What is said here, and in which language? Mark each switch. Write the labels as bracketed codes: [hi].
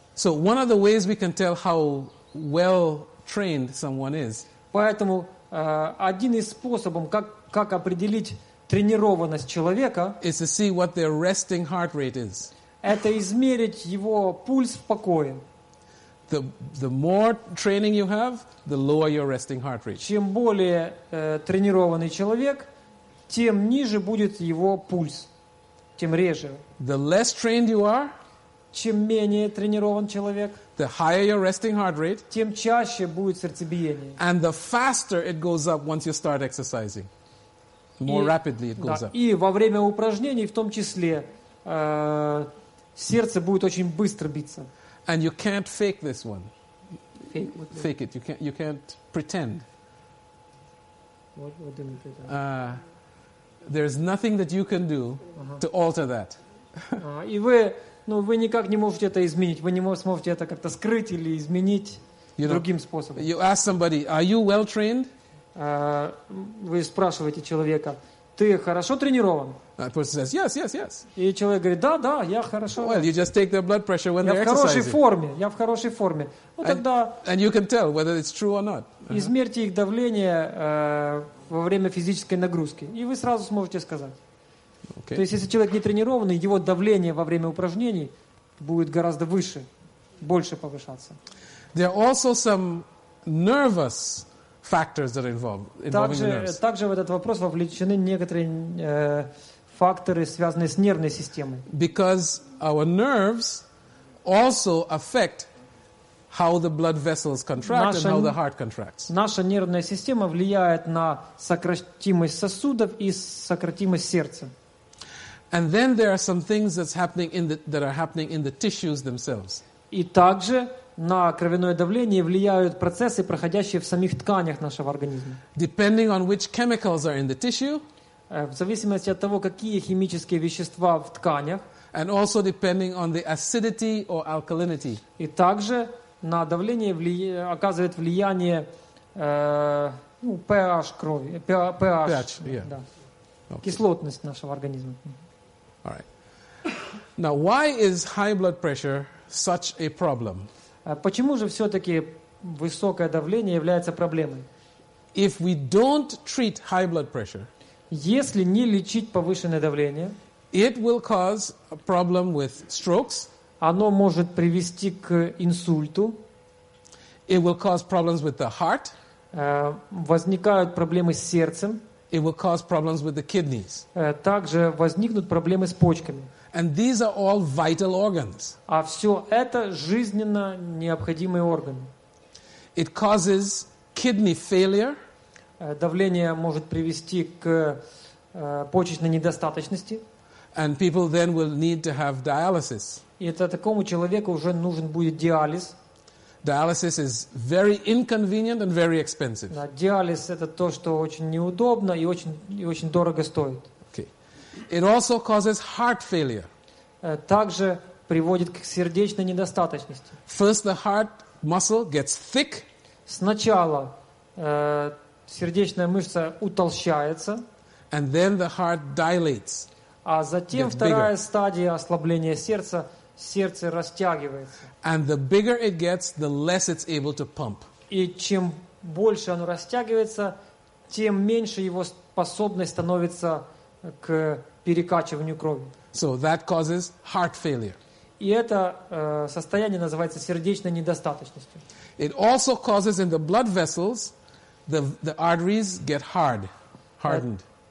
[en] So one of the ways we can tell how well trained someone is. [ru] Поэтому один из способов, как определить тренированность человека, [en] is to see what their resting heart rate is. [ru] Это измерить его пульс в покое. [en] The more training you have, the lower your resting heart rate. [ru] Чем более тренированный человек, тем ниже будет его пульс, тем реже. [en] The less trained you are, [ru] чем менее тренирован человек, [en] the higher your resting heart rate, [ru] тем чаще будет сердцебиение. [en] And the faster it goes up once you start exercising. More rapidly it goes up. [ru] И во время упражнений, в том числе, сердце будет очень быстро биться. [en] And you can't fake this one. Fake it. You can't pretend. What do you mean pretend? There's nothing that you can do to alter that. [ru] И вы никак не можете это изменить. Вы не сможете это как-то скрыть или изменить другим способом. [en] You ask somebody, are you well trained? [ru] Вы спрашиваете человека, ты хорошо тренирован? [en] That person says, yes, yes, yes. [ru] И человек говорит, да, да, я хорошо. [en] Well, you just take their blood pressure when [ru] я [en] they're exercising. [ru] Я в хорошей форме, я в хорошей форме. Тогда [en] and you can tell whether it's true or not. [ru] Измерьте их давление во время физической нагрузки, и вы сразу сможете сказать. [en] Okay. [ru] То есть, если человек не тренированный, его давление во время упражнений будет гораздо выше, больше повышаться. [en] There are also some nervous factors that involve involving the nerves. [ru] Также в этот вопрос вовлечены некоторые факторы, связанные с нервной системой. [en] Because our nerves also affect how the blood vessels contract and how the heart contracts. [ru] Наша нервная система влияет на сократимость сосудов и сократимость сердца. [en] And then there are some things that's happening in the, that are happening in the tissues themselves. [ru] И также на кровяное давление влияют процессы, проходящие в самих тканях нашего организма. [en] Depending on which chemicals are in the tissue, [ru] в зависимости от того, какие химические вещества в тканях, [en] and also depending on the acidity or alkalinity. [ru] И также на давление оказывает влияние pH крови, pH, [en] yeah. [ru] Да, [en] okay. [ru] Кислотность нашего организма. [en] All right. Now, why is high blood pressure such a problem? [ru] Почему же все-таки высокое давление является проблемой? [en] If we don't treat high blood pressure, [ru] если не лечить повышенное давление, [en] it will cause a problem with strokes. [ru] Оно может привести к инсульту. [en] It will cause problems with the heart. [ru] Возникают проблемы с сердцем. [en] It will cause problems with the kidneys. [ru] Также возникнут проблемы с почками. [en] And these are all vital organs. [ru] А все это жизненно необходимые органы. [en] It causes kidney failure. [ru] Давление может привести к почечной недостаточности. [en] And people then will need to have dialysis. [ru] И это такому человеку уже нужен будет диализ. [en] Dialysis is very inconvenient and very expensive. [ru] Да, диализ это то, что очень неудобно и очень дорого стоит. [en] Okay. It also causes heart failure. [ru] Также приводит к сердечной недостаточности. [en] First the heart muscle gets thick. [ru] Сначала сердечная мышца утолщается. [en] And then the heart dilates. [ru] А затем вторая стадия ослабления сердца. Сердце растягивается. [en] And the bigger it gets, the less it's able to pump. [ru] И чем больше оно растягивается, тем меньше его способность становится к перекачиванию крови. [en] So that causes heart failure. [ru] И это состояние называется сердечной недостаточностью. [en] It also causes in the blood vessels, the arteries get hard, hardened.